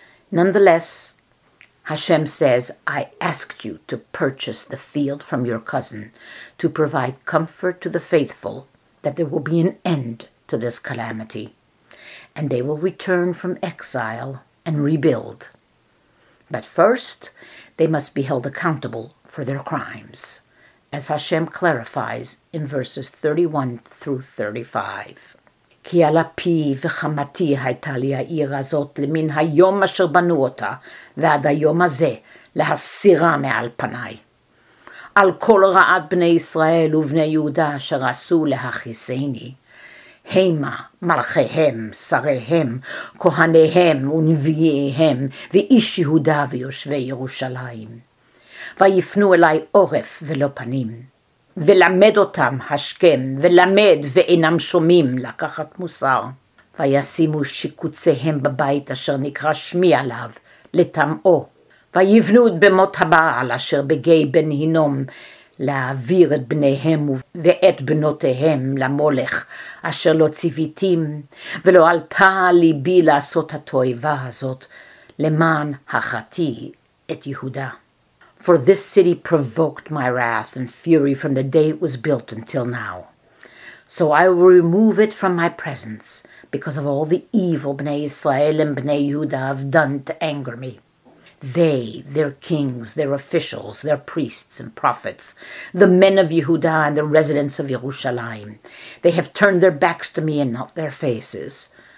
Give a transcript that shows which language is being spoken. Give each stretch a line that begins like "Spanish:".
English: Nonetheless, Hashem says, I asked you to purchase the field from your cousin to provide comfort to the faithful that there will be an end to this calamity, and they will return from exile and rebuild. But first, they must be held accountable for their crimes, as Hashem clarifies in verses 31 through 35.
Hebrew: כי על אפי וחמתי הייתה לי העיר הזאת למן היום אשר בנו אותה ועד היום הזה להסירה מעל פניי. על כל רעת בני ישראל ובני יהודה אשר עשו להכיסני, המה מלכיהם, שריהם, כהניהם ונביאיהם ואיש יהודה ויושבי ירושלים. ויפנו אליי עורף ולא פנים. ולמד אותם השכם, ולמד ואינם שומעים לקחת מוסר. וישימו שיקוציהם בבית אשר נקרא שמי עליו, לטמאו. ויבנו את במות הבעל אשר בגי בן הינום, להעביר את בניהם ואת בנותיהם למולך, אשר לא ציוויתים, ולא עלתה ליבי לעשות התועבה הזאת, למען החטי את יהודה.
English: For this city provoked my wrath and fury from the day it was built until now. So I will remove it from my presence because of all the evil Bnei Yisrael and Bnei Yehudah have done to anger me. They, their kings, their officials, their priests and prophets, the men of Yehudah and the residents of Yerushalayim, they have turned their backs to me and not their faces.